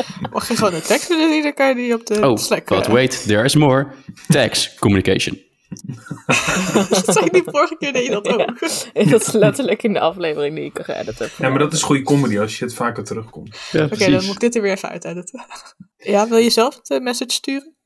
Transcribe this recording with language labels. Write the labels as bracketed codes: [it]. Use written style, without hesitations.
[nl] Mag je gewoon een tekst doen, iedere keer die op de Slack... [en] Oh, but wait, there is more. Tags, communication. [nl] Dat zei ik die vorige keer, deed dat ook. Ja, dat is letterlijk in de aflevering die ik geëdit heb. Ja, maar dat is goede comedy als je het vaker terugkomt. Ja, oké, dan moet ik dit er weer even uitediten. Ja, wil je zelf de message sturen?